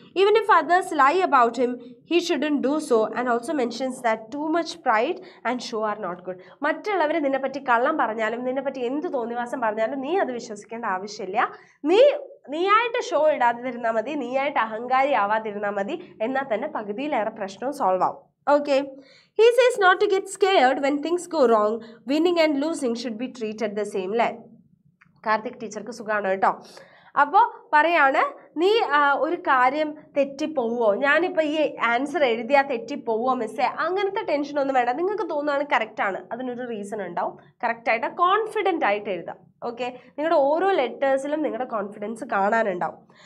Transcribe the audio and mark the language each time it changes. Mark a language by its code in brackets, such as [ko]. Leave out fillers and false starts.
[en] Even if others lie about him he shouldn't do so and also mentions that too much pride and show are not good. [ml] മറ്റുള്ളവർ നിന്നെപ്പറ്റി കള്ളം പറഞ്ഞാലും നിന്നെപ്പറ്റി എന്ത് തോന്നിവാസം പറഞ്ഞാലും നീ അത് വിശ്വസിക്കേണ്ട ആവശ്യമില്ല. നീ നീയായിട്ട് ഷോ ഇടാതിരുന്നാൽ മതി, നീയായിട്ട് അഹങ്കാരി ആവാതിരുന്നാൽ മതി, എന്നാൽ തന്നെ പകുതിയിലേറെ പ്രശ്നവും സോൾവ് ആവും. [en] Okay, he says not to get scared when things go wrong. Winning and losing should be treated the same way. [ml] Karthik ടീച്ചർക്ക് സുഖമാണ് കേട്ടോ. അപ്പോൾ പറയാണ്, നീ ഒരു കാര്യം തെറ്റിപ്പോവോ, ഞാനിപ്പോൾ ഈ ആൻസർ എഴുതിയാൽ തെറ്റിപ്പോവോ മിസ്സേ, അങ്ങനത്തെ ടെൻഷനൊന്നും വേണ്ട. നിങ്ങൾക്ക് തോന്നുകയാണ് കറക്റ്റാണ്, അതിനൊരു റീസൺ ഉണ്ടാവും. കറക്റ്റായിട്ട് കോൺഫിഡൻ്റ് ആയിട്ട് എഴുതാം. ഓക്കെ, നിങ്ങളുടെ ഓരോ ലെറ്റേഴ്സിലും നിങ്ങളുടെ കോൺഫിഡൻസ് കാണാനുണ്ടാവും.